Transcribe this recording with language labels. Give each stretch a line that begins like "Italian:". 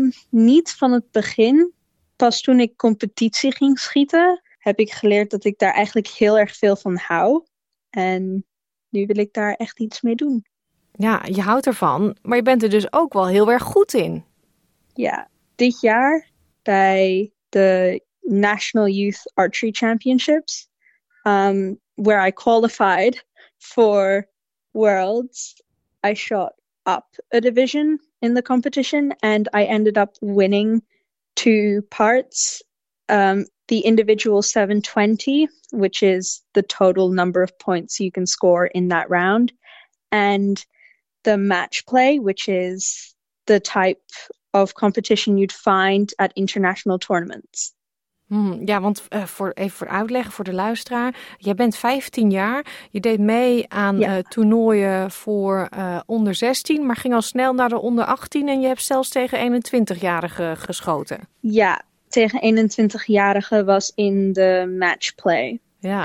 Dutch: Niet van het begin. Pas toen ik competitie ging schieten, heb ik geleerd dat ik daar eigenlijk heel erg veel van hou. En nu wil ik daar echt iets mee doen. Ja, je houdt ervan, maar je bent er dus ook wel heel erg goed in. Ja, dit jaar bij de
English: National Youth Archery Championships, where I qualified for Worlds, I shot up a division in the competition and I ended up winning two parts, the individual 720, which is the total number of points you can score in that round, and the match play, which is the type of competition you'd find at international tournaments.
Dutch: Ja, want voor uitleggen voor de luisteraar. Jij bent 15 jaar. Je deed mee aan toernooien voor onder 16, maar ging al snel naar de onder 18. En je hebt zelfs tegen 21-jarigen geschoten. Ja, tegen 21-jarigen was in de matchplay. Ja.